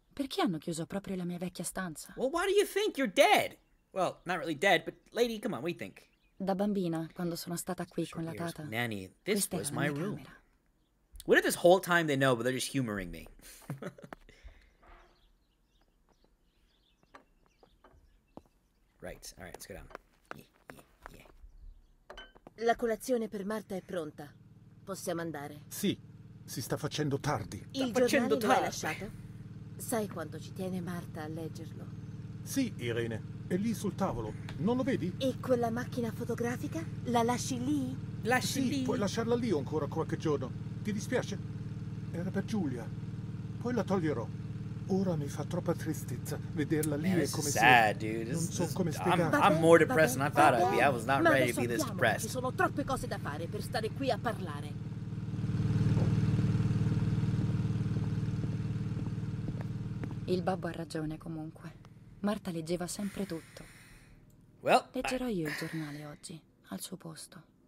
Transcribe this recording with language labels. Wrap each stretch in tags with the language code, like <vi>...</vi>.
<it>Perché hanno chiuso proprio la mia vecchia stanza?</it> <en>Well, why do you think you're dead? Well, not really dead, but lady, come on, what do you think?</en> <it>Da bambina, quando sono stata qui con la tata.</it> <en>Nanny, this was my room. What if this whole time they know, but they're just humoring me? Right, all right, let's go down. Yeah.</en> <it>La colazione per Marta è pronta. Possiamo andare? Sì, si sta facendo tardi. Il giornale lo hai lasciato? Sai quanto ci tiene Marta a leggerlo? Sì, Irene. È lì sul tavolo. Non lo vedi? E quella macchina fotografica? La lasci lì? Lasci lì? Sì, puoi lasciarla lì ancora qualche giorno. Ti dispiace? Era per Giulia. Poi la toglierò. Ora mi fa troppa tristezza vederla lì.</it> <en>Man,</en> <it>e come</it> <en>sad,</en> <it>se...</it> <en>dude.</en> <it>Non so come spiegare.</it> <en>I'm more depressed than I thought I'd be. I was not ready to be this depressed.</en> <it>Ci sono troppe cose da fare per stare qui a parlare. Il babbo ha ragione, comunque. Marta leggeva sempre tutto.</it> <en>Well,</en> <it>leggerò io il giornale oggi, al suo posto.</it>